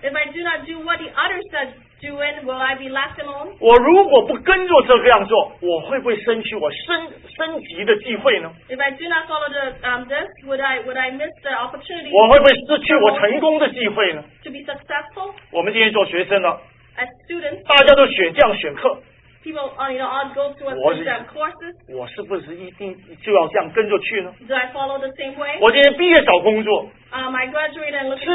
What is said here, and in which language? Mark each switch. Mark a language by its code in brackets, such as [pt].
[en] If I do not do what the others are doing, will I be left alone? [zh] 我如果不跟着这个样做，我会不会失去我升级的机会呢？ [en] If I do not follow the this, would I miss the opportunity? [zh] 我会不会失去我成功的机会呢？ [en] To be successful? [zh] 我们今天做学生的。 [en] As students, [zh] 大家都选这样选课, [en] people all go through a system courses. [zh] 我是不是一定就要这样跟着去呢? [en] Do I follow the same way? [zh] 我今天毕业找工作, [en] I graduated and look for a job.